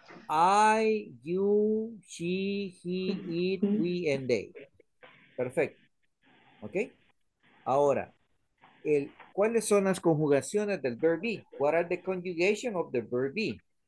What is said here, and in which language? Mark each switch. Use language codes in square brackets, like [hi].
[en] I, you, she, he, it, we, and they. [es] Perfecto. ¿Ok? Ahora, ¿cuáles son las conjugaciones del verb be? [en] What are the conjugation of the verb be?